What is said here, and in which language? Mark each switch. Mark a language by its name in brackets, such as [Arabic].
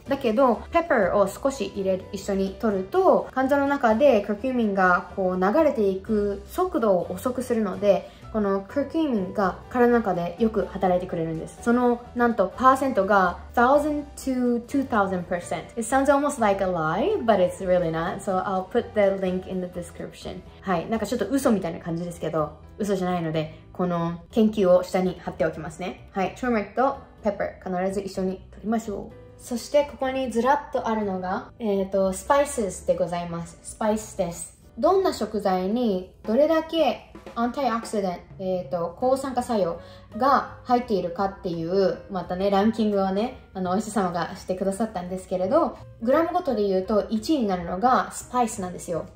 [Japanese] だけどペッパーを少し入れる、一緒に取ると肝臓の中でクルキューミンがこう流れていく速度を遅くするので、このクルキューミンが体の中でよく働いてくれるんです。そのなんとパーセントが 1000 to 2000%。 [English] It sounds almost like a lie, but it's really not. So I'll put the link in the description. [Japanese] はい、なんかちょっと嘘みたいな感じですけど、嘘じゃないのでこの研究を下に貼っておきますね。はい、トゥーメリックとペッパー必ず一緒に取りましょう。そしてここにずらっとあるのがスパイスでございます。スパイスです。どんな食材にどれだけアンタイオクシデント、抗酸化作用が入っているかっていう、またね、ランキングをね、お医者様がしてくださったんですけれど、グラムごとで言うと1位になるのがスパイスなんですよ。